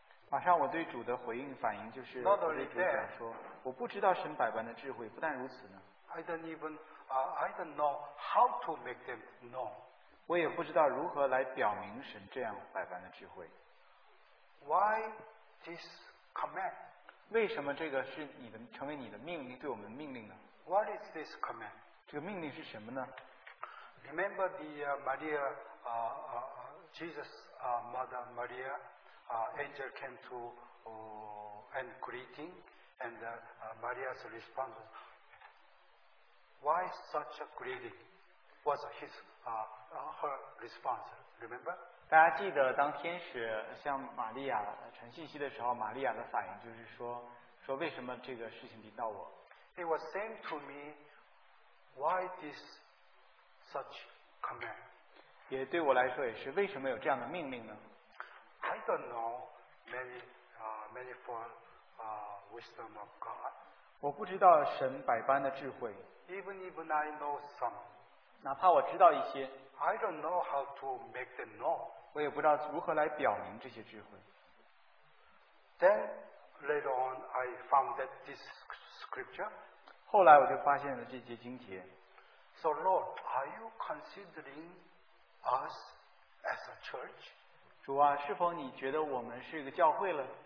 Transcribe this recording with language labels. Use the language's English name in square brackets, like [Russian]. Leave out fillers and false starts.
[Chinese] 马上我对主的回应反应就是， [English] Not only that, [Chinese] 我不知道神百般的智慧，不但如此呢。 [English] I don't even, I don't know how to make them know. [Chinese] 我也不知道如何来表明神这样百般的智慧。 [English] Why this command? [Chinese] 为什么这个是你的命令，对我们命令呢？ [English] What is this command? [Chinese] 这个命令是什么呢？ [English] Remember the Maria, Jesus, mother Maria, angel came to and greeting, and Maria's response was, why such a greeting? Was his her response? Remember? [Chinese] 大家记得当天使向玛利亚传信息的时候，玛利亚的反应就是说，说为什么这个事情临到我？ [English] It was same to me. Why this such command? [Chinese] 也对我来说也是，为什么有这样的命令呢？ [English] I don't know many manifold wisdom of God. [Chinese] 我不知道神百般的智慧。 [English] Even I know some. [Chinese] 哪怕我知道一些。 [English] I don't know how to make them know. [Chinese] 我也不知道如何来表明这些智慧。 [English] Then later on I found that this scripture. [Chinese] 后来我就发现了这节经节。 [English] So Lord, are you considering us as a church? [Chinese] 主啊，是否你觉得我们是一个教会了？